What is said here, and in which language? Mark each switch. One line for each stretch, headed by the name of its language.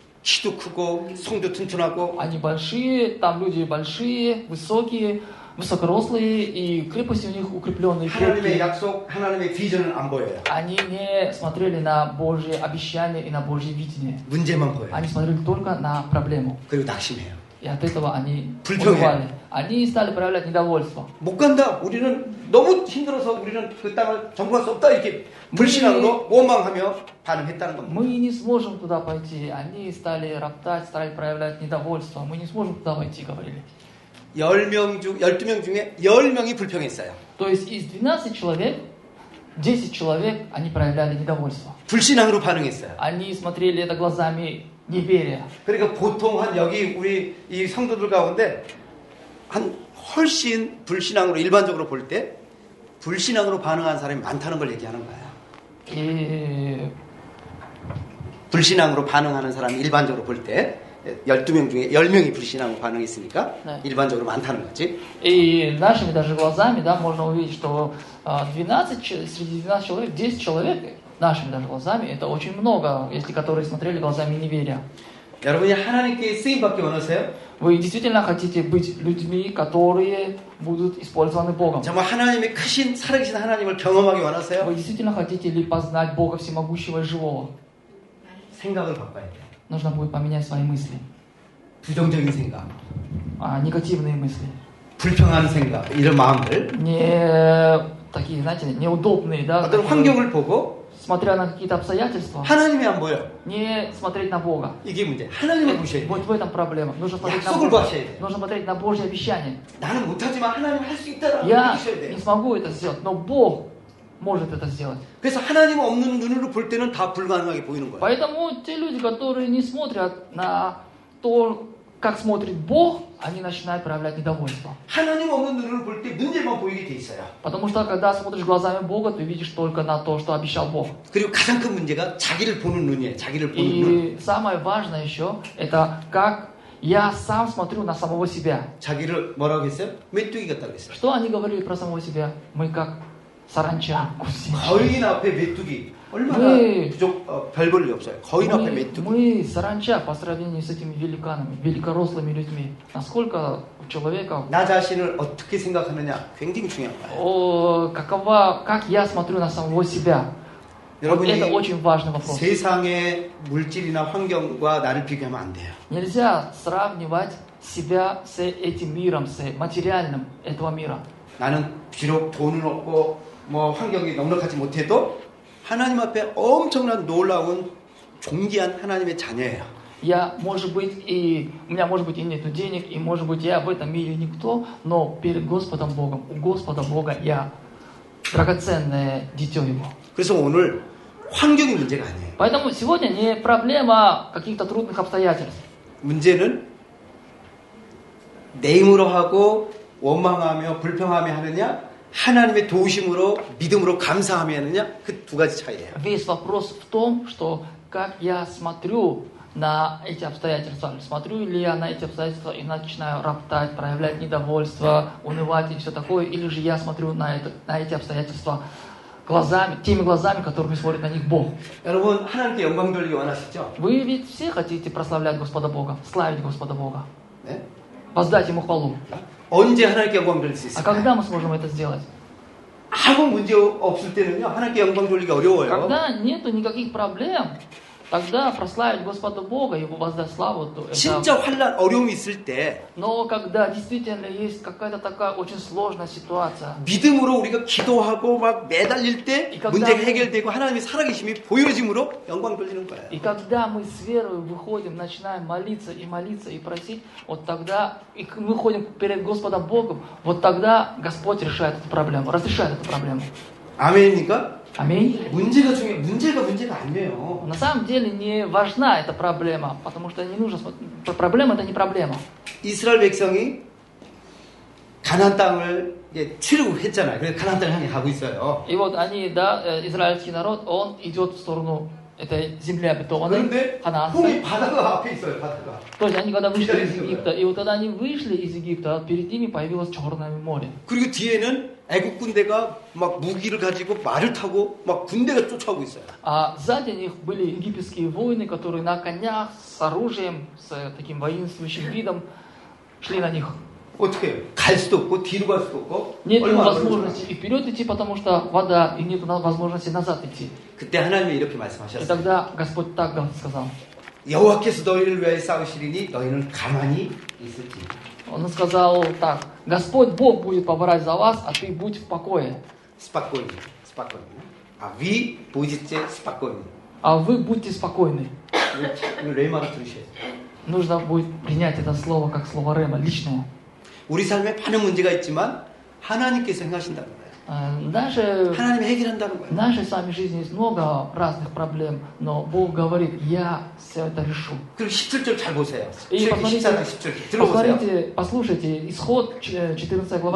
Korean: 키도 크고 성도 튼튼하고
Russian: они большие, там люди большие, высокие. Высокорослые и крепости у них укрепленные.
Korean: 하나님의 약속, 하나님의 비전은 안 보여요.
Russian: Они не смотрели на Божьи обещания и на Божьи видения.
Korean: 문제만 보여요.
Russian: Они смотрели только на проблему.
Korean: 그리고 낙심해요.
Russian: И от этого они
Korean: 불평해.
Russian: Они стали проявлять недовольство.
Korean: 못 간다. 우리는 너무 힘들어서 우리는 그 땅을 정복할 수 없다. 이렇게 불신앙으로 원망하며 반응했다는 겁니다.
Russian: Мы не сможем туда пойти. Они стали роптать, стали проявлять недовольство. Мы не сможем туда пойти, говорили.
Korean: 12명 중에 10명이 불평했어요.
Russian: То есть из 12 человек 10 человек они проявляли недовольство.
Korean: 불신앙으로 반응했어요.
Russian: Они смотрели это глазами неверия.
Korean: 그러니까 보통 한 여기 우리 이 성도들 가운데 한 훨씬 불신앙으로 일반적으로 볼 때 불신앙으로 반응한 사람이 많다는 걸 얘기하는 거야. 예. 불신앙으로 반응하는 사람이 일반적으로 볼 때 12명 중에 10명이 불신앙으로 반응했으니까 네. 일반적으로 많다는 거지.
Russian: 예, нашими даже глазами, да, можно увидеть, что 12 среди 12 человек 10 человек нашими даже глазами это очень много, если которые смотрели глазами неверия.
Korean: 여러분이 하나님께 쓰임 받기 원하세요?
Russian: Вы действительно хотите быть людьми, которые будут использованы Богом?
Korean: 정말 하나님의 크신 살아계신 하나님을 경험하기 원하세요?
Russian: Вы действительно хотите ли познать Бога всемогущего и живого?
Korean: 생각을 바꿔야 돼.
Russian: Нужно будет поменять свои мысли.
Korean: 부정적인 생각.
Russian: 아, негативные мысли.
Korean: 불평한 생각. 이런 마음을.
Russian: 네, такие, знаете, неудобные, да?
Korean: 어떤 환경을 보고.
Russian: Смотря на какие-то обстоятельства.
Korean: 하나님이 안 보여.
Russian: 네, смотреть на Бога.
Korean: 이게 문제. 하나님을 보셔야 돼.
Russian: Вот в этом проблема. Нужно смотреть на Бога. 돼. Нужно смотреть на Божье обещание.
Korean: 나는 못하지만 하나님 할 수 있다라고 믿으셔야 돼.
Russian: Я не смогу это сделать, но Бог может это сделать.
Korean: 그래서 하나님 없는 눈으로 볼 때는 다 불가능하게 보이는 거야.
Russian: Поэтому те люди, которые не смотрят на то, как смотрит Бог, они начинают проявлять недовольство.
Korean: 하나님 없는 눈으로 볼 때 문제만 보이게 돼 있어요.
Russian: Потому что когда смотришь глазами Бога, ты видишь только на то, что обещал Бог.
Korean: 그리고 가장 큰 문제가 자기를 보는 눈이에요. 자기를 보는
Russian: и
Korean: 눈.
Russian: И самое важное еще это как я сам смотрю на самого себя.
Korean: 자기를 뭐라고 했어요? 메뚜기 같다고 했어요.
Russian: Что они говорили про самого себя? Мы как саранча, гусеница.
Korean: 거인 앞에 메뚜기. 얼마나
Russian: мы,
Korean: 부족, 별 볼 일 없어요. 거인 앞에 메뚜기.
Russian: Мы саранча по сравнению с этими великанами, великорослыми людьми. Насколько у человека...
Korean: 나 자신을 어떻게 생각하느냐 굉장히 중요한 거예요.
Russian: какова, как я смотрю на самого себя.
Korean: 여러분이
Russian: это очень важный вопрос.
Korean: 세상의 물질이나 환경과 나를 비교하면 안 돼요.
Russian: Нельзя сравнивать себя с этим миром, с материальным этого мира.
Korean: 나는 비록 돈은 없고 뭐 환경이 넉넉하지 못해도 하나님 앞에 엄청난 놀라운 존귀한 하나님의 자녀예요.
Russian: Я, может быть, и у меня может быть и нету денег, и может быть я в этом мире никто, но перед Господом Богом, у Господа Бога я драгоценное дитё Его.
Korean: 그래서 오늘 환경이 문제가 아니에요.
Russian: Поэтому сегодня не проблема каких-то трудных обстоятельств.
Korean: 문제는 내 힘으로 하고 원망하며 불평하며 하느냐 하나님의 도우심으로 믿음으로 감사하며 하느냐 그 두 가지 차이예요.
Russian: Весь вопрос в том, что как я смотрю на эти обстоятельства. Смотрю ли я на эти обстоятельства и начинаю роптать, проявлять недовольство, унывать и все такое, или же я смотрю на это, на эти обстоятельства глазами, теми глазами, которыми смотрит на них Бог.
Korean: 여러분, 하나님께 영광 돌리기 원하시죠?
Russian: Вы ведь все хотите прославлять Господа Бога, славить Господа Бога.
Korean: 네?
Russian: Воздать Ему хвалу.
Korean: 언제 하나님께 영광 돌릴 수 있을까요?
Russian: А когда мы сможем это сделать?
Korean: 아무 문제 없을 때는요, 하나님께 영광 돌리기 어려워요.
Russian: Когда нету никаких проблем, тогда прославить Господа Бога, Его воздать славу, то это...
Korean: 진짜 환난, 어려움이 있을 때,
Russian: но когда действительно есть какая-то такая очень сложная ситуация,
Korean: 믿음으로 우리가 기도하고 막 매달릴 때, 문제 해결되고 하나님의 살아계심이 보여짐으로 영광 돌리는 거예요.
Russian: И когда мы с верой выходим, начинаем молиться и просить, вот тогда, и мы ходим перед Господом Богом, вот тогда Господь решает эту проблему, разрешает эту проблему.
Korean: 아멘입니까? 아멘. 문제가 중요해. 문제가 아니에요.
Russian: На самом деле не важна эта проблема, потому что не нужно. Проблема это не проблема.
Korean: 이스라엘 백성이 가나안 땅을 이제 치르고 했잖아요. 그래서 가나안 땅을 향해 가고 있어요.
Russian: И вот они, да, израильский народ, он идет в сторону этой земли обетованной.
Korean: 그런데 홍해 바다가 앞에 있어요, 바다가.
Russian: То есть они когда вышли из Египта, и вот когда они вышли из Египта, перед ними появилось Черное море.
Korean: 그리고 뒤에는 애굽 군대가 막 무기를 가지고 말을 타고 막 군대가 쫓아오고 있어요.
Russian: 아, сзади них были египетские воины, которые на конях с оружием, с таким воинствующим видом шли на них.
Korean: 어떻게 갈 수도 없고 뒤로 갈 수도 없고
Russian: нет возможности и вперед идти, потому что вода и нет возможности назад идти.
Korean: 그때 하나님이 이렇게 말씀하셨어요.
Russian: И тогда Господь так сказал.
Korean: 여호와께서 너희를 위하여 싸우시리니 너희는 가만히 있을지.
Russian: Он сказал так: Господь Бог будет поборать за вас, а ты будь в покое. Спокойно, спокойно. А вы будете спокойны. А вы будьте спокойны. Рема слушать. Нужно будет принять это слово как слово рема личное.
Korean: 우리 삶에 많은 문제가 있지만 하나님께서 행하신다는 거예요. 나의 하나님이 해결한다는 거예요. 나의 삶의
Russian: жизни есть много разных проблем, но Бог говорит: "Я всё это решу".
Korean: 그리고 17절 잘 보세요. 17절 들어보세요.
Russian: Послушайте, исход 14 глава.